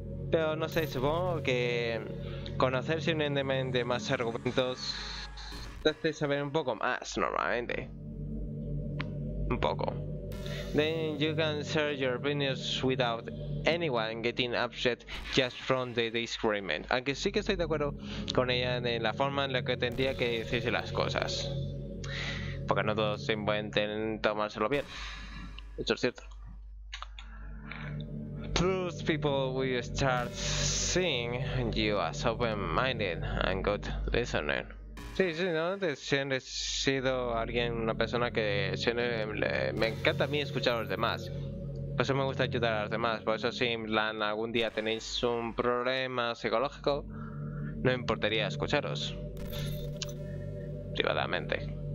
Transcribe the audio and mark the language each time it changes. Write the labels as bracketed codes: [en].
[es] Pero no sé, supongo que conocer simplemente más argumentos te hace saber un poco más, normalmente. Un poco. [en] Then you can share your opinions without anyone getting upset just from the disagreement. [es] Aunque sí que estoy de acuerdo con ella en la forma en la que tendría que decirse las cosas. Porque no todos se pueden tomárselo bien. Eso es cierto. [en] Plus, people will start seeing you as open-minded and good listener. [es] Sí, sí, ¿no? Siempre he sido alguien, una persona que siempre me encanta a mí escuchar a los demás. Por eso me gusta ayudar a los demás. Por eso, si algún día tenéis un problema psicológico, no importaría escucharos. Privadamente.